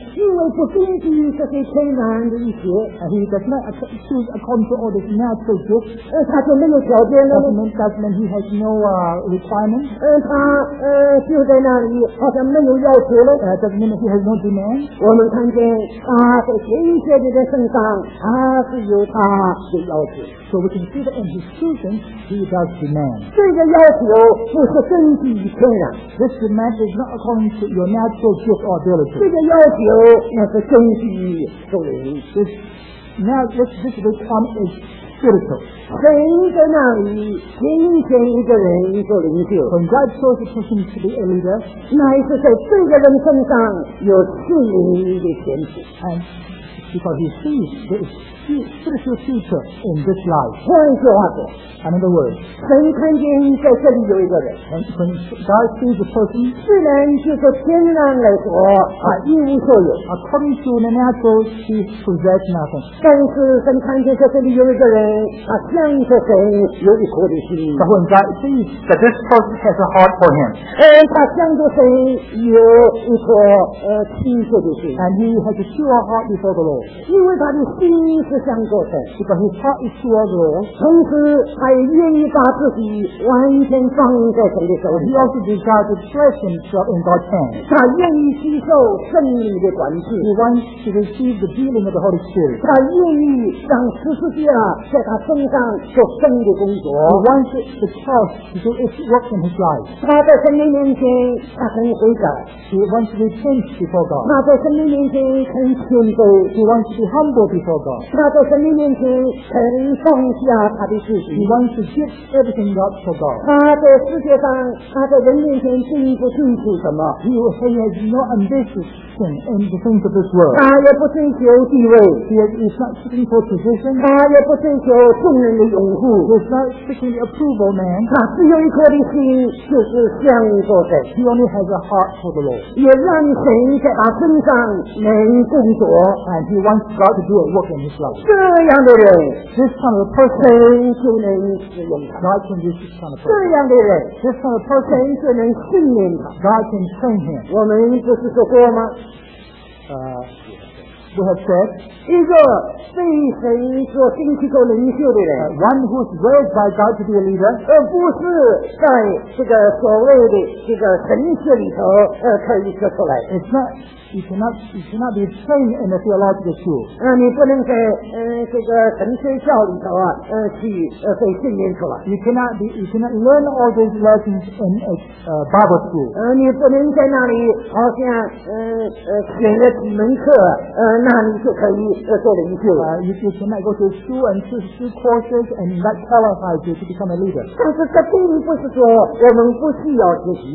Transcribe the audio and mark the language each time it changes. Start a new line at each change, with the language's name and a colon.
Chinese: 因为不根据这些天然的一些，
English: He does not choose according to all these natural gifts，
Chinese: 他就没有条件了。
English: Doesn't mean he has no requirement，
Chinese: 他就在那里好像没有要求了。
English: Doesn't mean he has no demand，
Chinese: 我们看见他在拣选人的身上，他是有他的要求。
English: So we can see that in his choosing， he does demand。
Chinese: 这个要求不是根据天然
English: ，This demand is not according to your natural gifts。
Chinese: 这个要求那是根据属灵。
English: This requirement is spiritual。
Chinese: 神在那里拣选一个人做领袖。
English: When God chose a person to be a leader，
Chinese: 乃是在这个人身上有圣灵的显示。
English: And because he sees the spiritual future in this life。
Chinese: 换句话说
English: ，another word，
Chinese: 神看见在这里有一个人。
English: When God sees a person，
Chinese: 自然就是天然来说，他一无所有。
English: According to the natural， he possesses nothing。
Chinese: 但是神看见在这里有一个人，他向着神有一颗的心。
English: But when God sees that this person has a heart for him，
Chinese: 他向着神有一颗倾诉的心。
English: And he has a pure heart before the Lord，
Chinese: 因为他的心。是向着神，这个是他一出的路，同时他也愿意把自己完全放在神的手里。
English: He also desires to trust himself in God's hands。
Chinese: 他愿意吸收圣灵的管制。
English: He wants to receive the dealing of the Holy Spirit。
Chinese: 他愿意让十字架在他身上做神的工作。
English: He wants the cross to do its work in his life。
Chinese: 他在神的面前，他很悔改。
English: He wants to repent before God。
Chinese: 他在神的面前很谦卑。
English: He wants to humble before God。
Chinese: 他在神面前肯放下他的自己。
English: He wants to give everything up to God。
Chinese: 他在世界上，他在人面前并不追求什么。
English: He has no ambition in the things of this world。
Chinese: 他也不追求地位。
English: He is not seeking for position。
Chinese: 他也不追求众人的拥护。
English: He is not seeking the approval man。
Chinese: 他只有一颗的心，就是向着神。
English: He only has a heart for the Lord。
Chinese: 也让神在他身上能工作。
English: And he wants God to do a work。
Chinese: 这样的人
English: ，this kind of person
Chinese: 就能使用他。
English: God can use this kind of person。
Chinese: 这样的人
English: ，this kind of person
Chinese: 就能训练他。
English: God can train him。
Chinese: 我们不是说过吗？
English: We have said，
Chinese: 一个被神所兴起做领袖的人
English: ，one who is raised by God to be a leader，
Chinese: 不是在这个所谓的这个神学里头可以说出来。
English: It's not。 You cannot be trained in a theological school.
Chinese: 你不能在这个神学校里头啊，去被训练出来。
English: You cannot learn all these lessons in a Bible school.
Chinese: 你不能在那里好像选了几门课，那你就可以做领袖了。
English: You should not go to school and to school courses and that qualifies you to become a leader.
Chinese: 但是这并不是说我们不需要学习。